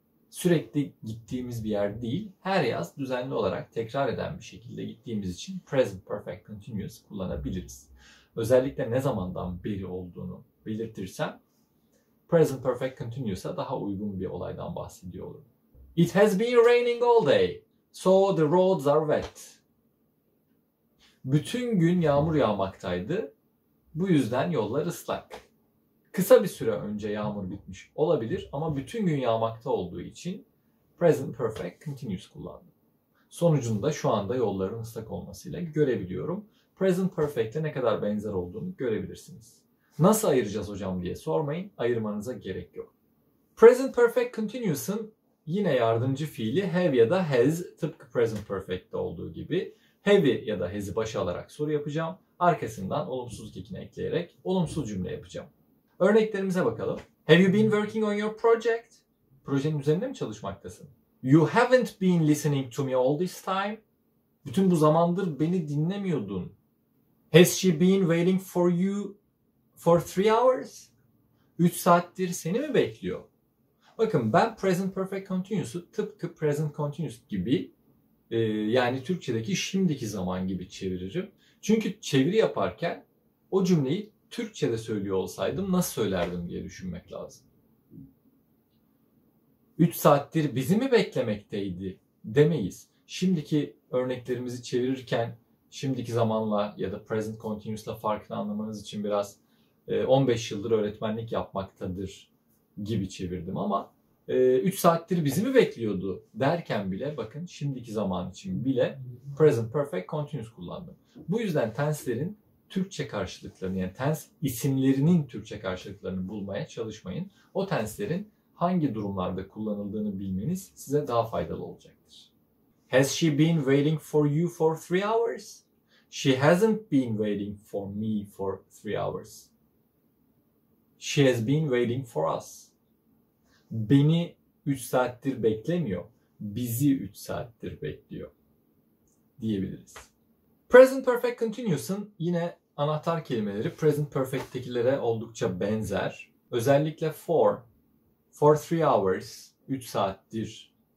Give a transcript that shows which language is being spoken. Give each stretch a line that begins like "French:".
Turkish: Sürekli gittiğimiz bir yer değil, her yaz düzenli olarak tekrar eden bir şekilde gittiğimiz için present perfect continuous kullanabiliriz. Özellikle ne zamandan beri olduğunu belirtirsem present perfect continuous'a daha uygun bir olaydan bahsediyor olurum.
English: It has been raining all day, so the roads are wet.
Turkish: Bütün gün yağmur yağmaktaydı, bu yüzden yollar ıslak. Kısa bir süre önce yağmur bitmiş olabilir ama bütün gün yağmakta olduğu için present perfect continuous kullandım. Sonucunu da şu anda yolların ıslak olmasıyla görebiliyorum. Present perfect'le ne kadar benzer olduğunu görebilirsiniz. Nasıl ayıracağız hocam diye sormayın, ayırmanıza gerek yok. Present perfect continuous'un yine yardımcı fiili have ya da has, tıpkı present perfect'te olduğu gibi have'i ya da has'i başa alarak soru yapacağım. Arkasından olumsuz kekine ekleyerek olumsuz cümle yapacağım. Örneklerimize bakalım.
English: Have you been working on your project?
Turkish: Projenin üzerinde mi çalışmaktasın?
English: You haven't been listening to me all this time.
Turkish: Bütün bu zamandır beni dinlemiyordun.
English: Has she been waiting for you for 3 hours?
Turkish: 3 saattir seni mi bekliyor? Bakın ben present perfect continuous'u tıpkı present continuous gibi yani Türkçedeki şimdiki zaman gibi çeviririm. Çünkü çeviri yaparken o cümleyi Türkçe'de söylüyor olsaydım nasıl söylerdim diye düşünmek lazım. 3 saattir bizi mi beklemekteydi demeyiz. Şimdiki örneklerimizi çevirirken şimdiki zamanla ya da present continuous'la farkını anlamanız için biraz 15 yıldır öğretmenlik yapmaktadır gibi çevirdim ama 3 saattir bizi mi bekliyordu derken bile bakın şimdiki zaman için bile present perfect continuous kullandım. Bu yüzden tenslerin Türkçe karşılıklarını yani tens isimlerinin Türkçe karşılıklarını bulmaya çalışmayın. O tenslerin hangi durumlarda kullanıldığını bilmeniz size daha faydalı olacaktır.
English: Has she been waiting for you for 3 hours? She hasn't been waiting for me for 3 hours. She has been waiting for us.
Turkish: Beni 3 saattir beklemiyor, bizi 3 saattir bekliyor diyebiliriz. Present Perfect Continuous'un yine anahtar kelimeleri present perfect'tekilere oldukça benzer. Özellikle
English: for 3 hours,
Turkish: 3 saattir.